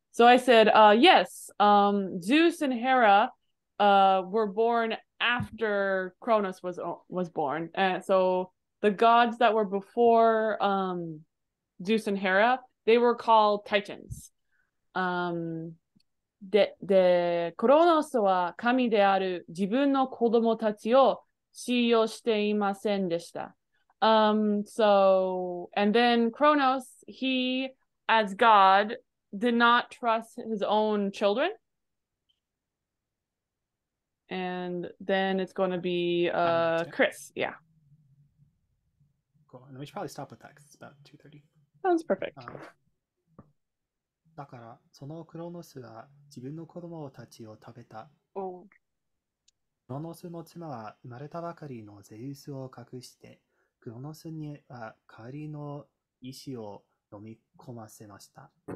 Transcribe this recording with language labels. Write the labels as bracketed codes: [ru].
[en] So I said, yes, Zeus and Hera were born after Cronus was born. And so the gods that were before Zeus and Hera, they were called Titans. [ja] で、クロノスは神である自分の子供たちを信用していませんでした。 [en] So, and then Cronos, he, as God, did not trust his own children. And then it's going to be Chris, yeah. Cool, and we should probably stop with that because it's about 2:30. Sounds perfect. [ja] だからそのクロノスは自分の子供たちを食べた。クロノスの妻は生まれたばかりのゼウスを隠してクロノスには代わりの意志を飲み込ませました。